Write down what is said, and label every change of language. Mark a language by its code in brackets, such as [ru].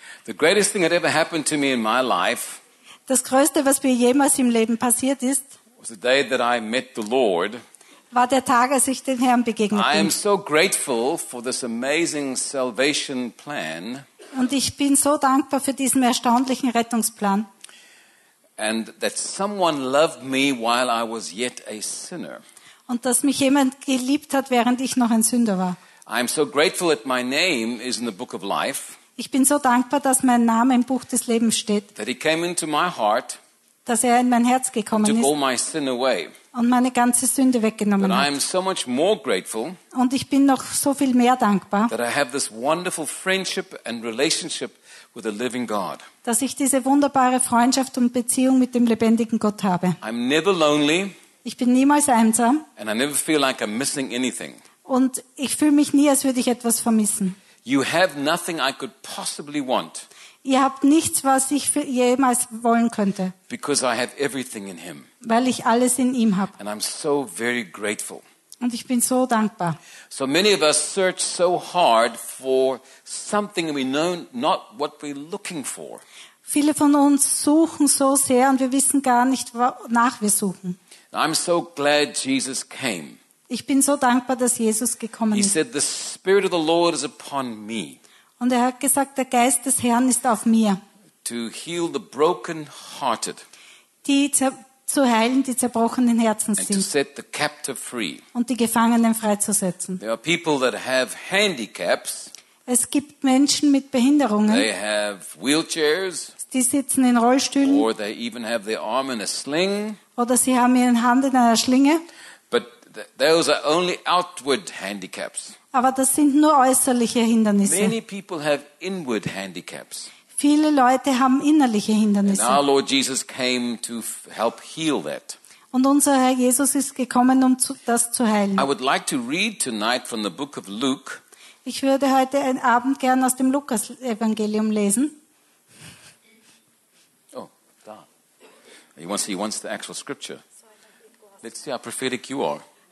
[en] The greatest thing that ever happened to me in my life. [de] Das Größte, was mir jemals im Leben passiert ist. [en] Was the day that I met the Lord. [de] War der Tag, als ich dem Herrn begegnet bin. [en] I am so grateful for this amazing salvation plan. [de] Und ich bin so dankbar für diesen erstaunlichen Rettungsplan. [en] And that someone loved me while I was yet a sinner. [de] Und dass mich jemand geliebt hat, während ich noch ein Sünder war. [en] I am so grateful that my name is in the book of life. [de] Ich bin so dankbar, dass mein Name im Buch des Lebens steht. [en] That he came into my heart. [de] Dass er in mein Herz gekommen [en] took [de] ist. [en] All my sin away. [de] Und meine ganze Sünde weggenommen [en] but [de] hat. [en] I am so much more grateful. [de] Und ich bin noch so viel mehr dankbar. [en] That I have this wonderful friendship and relationship with the living God. [de] Dass ich diese wunderbare Freundschaft und Beziehung mit dem lebendigen Gott habe. [en] I'm never lonely. [de] Ich bin niemals einsam. [en] And I never feel like I'm missing anything. [de] Und ich fühle mich nie, als würde ich etwas vermissen. [en] You have nothing I could possibly want. [de] Ihr habt nichts, was ich jemals wollen könnte. [en] Because I have everything in him. [de] Weil ich alles in ihm habe. [en] And I'm so very grateful. [de] Und ich bin so dankbar. [en] So many of us search so hard for something we know not what we're looking for. [de] Viele von uns suchen so sehr und wir wissen gar nicht, wonach wir suchen. [en] I'm so glad Jesus came. [de] Ich bin so dankbar, dass Jesus gekommen ist. [en] He said, "The Spirit of the Lord is upon me." [de] Und er hat gesagt, der Geist des Herrn ist auf mir. [en] To heal the broken-hearted. [de] Die zu heilen, die zerbrochenen Herzen sind. [en] And to set the captive free. [de] Und die Gefangenen freizusetzen. [en] There are people that have handicaps. [de] Es gibt Menschen mit Behinderungen. [en] They have wheelchairs. [de] Die sitzen in Rollstühlen. [en] Or they even have their arm in a sling. [de] Oder sie haben ihre Hand in einer Schlinge. [en] Those are only outward handicaps. [de] Aber das sind nur äußerliche Hindernisse. [en] Many people have inward handicaps. [de] Viele Leute haben innerliche Hindernisse. [en] And our Lord Jesus came to help heal that. [de] Und unser Herr Jesus ist gekommen, um das zu heilen. [en] I would like to read tonight from the book of Luke. [de] Ich würde heute einen Abend gern aus dem Lukas-Evangelium lesen. [en] Oh, da. He wants the actual scripture. Let's see how prophetic you are.